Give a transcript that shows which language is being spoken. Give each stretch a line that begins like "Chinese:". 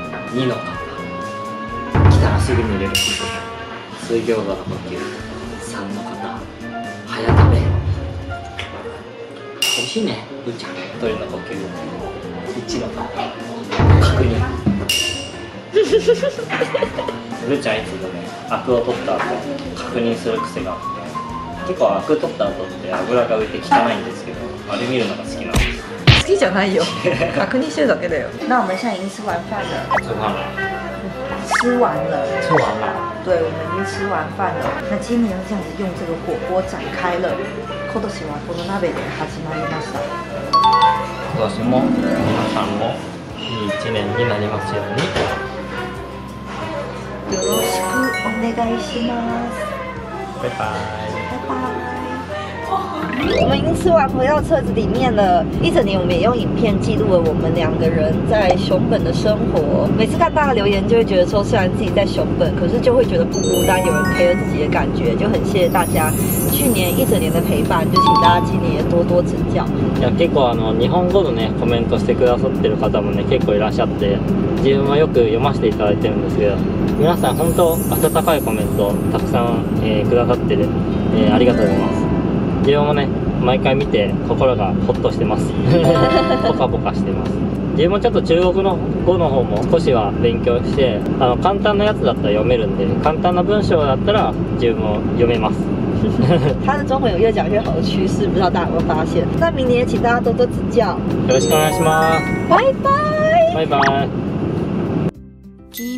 Japanese: 二の方来たらすぐに入れる水餃子の呼吸三の方早食べ美味しいねうーちゃん鳥の呼吸一の方確認うーちゃんいつもねアクを取った後確認する癖があって結構アク取った後って油が浮いて汚いんですけどあれ見るのが好きなんです好きじゃないよ。確認してるだけだよ。
Chinese: 那我们现在已经吃完饭了。吃完了。吃完了。吃完了。对，我们已经吃完饭了。那今年就这样子用这个火锅展开了。
Japanese: 今年はこの鍋で始まりました。今年も皆さんもいい一年になりますように。よろしくお願いします。バイバイ。
Chinese: 我们已经吃完回到车子里面了。一整年我们也用影片记录了我们两个人在熊本的生活。每次看大家留言，就会觉得说，虽然自己在熊本，可是就会觉得不孤单，有人陪着自己的感觉，就很谢谢大家去年一整年的陪伴，就请大家今年也多多指教。
Japanese: いや結構日本語のねコメントしてくださってる方もね結構いらっしゃって、自分はよく読ませていただいてるんですけど、皆さん本当温かいコメントたくさん、くださってる、ありがとうございます。自分もね、毎回見て心がホッとしてます。ポカポカしてます。自分もちょっと中国の語の方も少しは勉強して、簡単なやつだったら読めるんで、簡単な文章だったら自分も読めます。
Chinese: 他的中文有越讲越好的趋势，不知道大家有没有发现？那明年请大家多多指教。
Japanese: よろしくお願いします。バイバイ。バイバイ。君と終わらない歌を歌おう。たとえ